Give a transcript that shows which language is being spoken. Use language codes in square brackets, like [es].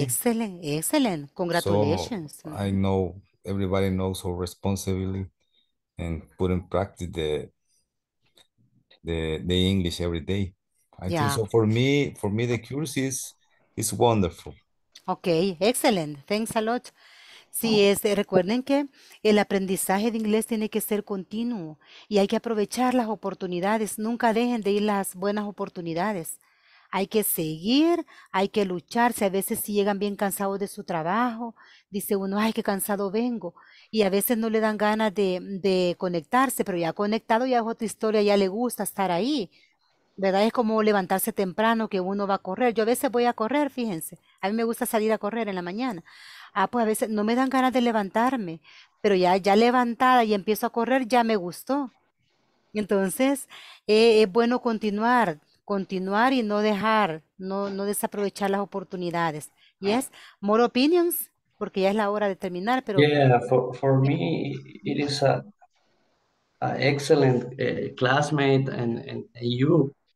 [en] Excellent, excellent. Congratulations. So I know everybody knows how responsibly and put in practice the English every day. I think so for me the course is wonderful. Okay, excellent. Thanks a lot. [es] Sí, recuerden que el aprendizaje de inglés tiene que ser continuo y hay que aprovechar las oportunidades. Nunca dejen de ir las buenas oportunidades. Hay que seguir, hay que luchar. Si a veces si llegan bien cansados de su trabajo, dice uno, ay, qué cansado vengo. Y a veces no le dan ganas de conectarse, pero ya conectado ya es otra historia, ya le gusta estar ahí. ¿Verdad? Es como levantarse temprano que uno va a correr. Yo a veces voy a correr, fíjense. A mí me gusta salir a correr en la mañana. Ah, pues a veces no me dan ganas de levantarme, pero ya levantada y empiezo a correr, ya me gustó. Entonces, es bueno continuar. Continuar y no dejar, no desaprovechar las oportunidades. [en] Yes, more opinions, [es] porque ya es la hora de terminar. Pero [en] yeah, for me it is a excellent classmate and you.